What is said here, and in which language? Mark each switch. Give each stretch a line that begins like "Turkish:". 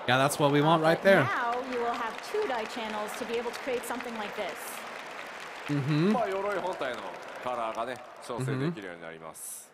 English: Yeah, that's what we want right there. Now you will have two dye channels to be able to create something like this. Mm-hmm.
Japanese: まあ鎧本体のカラーがね調整できるようになります。